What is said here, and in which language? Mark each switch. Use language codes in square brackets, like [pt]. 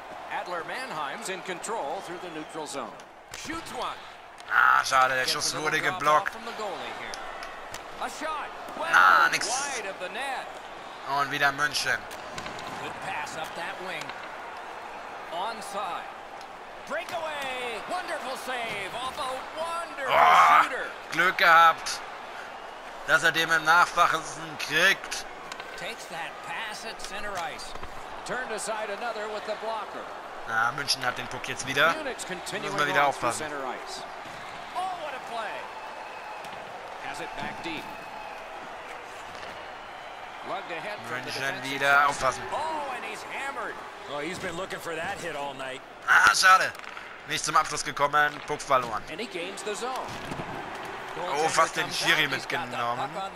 [en] Adler Mannheim's in control through the neutral zone. Shoots one. [de] Ah, schade, der Schuss wurde geblockt. [en] A shot. [de] Ah, nix. [en] Wide of the net. [de] Und wieder München. [en] Good pass up that wing. Onside. Breakaway. Wonderful save off a wonderful shooter. [de] Glück gehabt, dass dem im Nachwachsen kriegt. [en] Takes that pass at center ice. Turned aside another with the blocker. [de] Ah, München hat den Puck jetzt wieder. Müssen wir wieder aufpassen. [en] Oh, what a play. Has it back deep. [de] München wieder aufpassen. [en] Oh, and he's hammered. Oh, he's been looking for that hit all night. [de] Ah, schade. Nicht zum Abschluss gekommen. Puck verloren. [en] And he gains the zone. [de] Oh, fast den Schiri mitgenommen.